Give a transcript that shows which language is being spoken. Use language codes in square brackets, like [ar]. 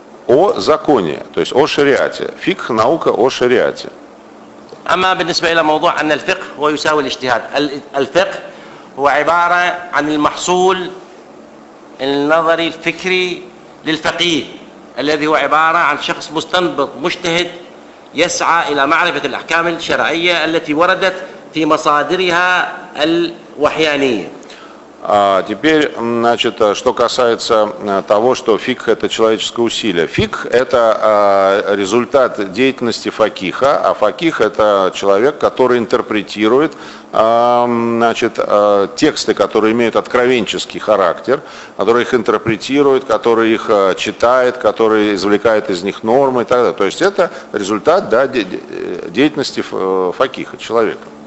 [ru] о законе, то есть о шариате. Фикх – наука о шариате. [ar] أما بالنسبة إلى موضوع أن الفقه هو يساوي الاجتهاد الفقه هو عبارة عن المحصول النظري الفكري للفقيه الذي هو عبارة عن شخص مستنبط مجتهد يسعى إلى معرفة الأحكام الشرعية التي وردت في مصادرها الوحيانية. [ru] Теперь, значит, что касается того, что фикх – это человеческое усилие. Фикх – это результат деятельности факиха, а факих – это человек, который интерпретирует, значит, тексты, которые имеют откровенческий характер, который их интерпретирует, который их читает, который извлекает из них нормы и так далее. То есть это результат, да, деятельности факиха, человека.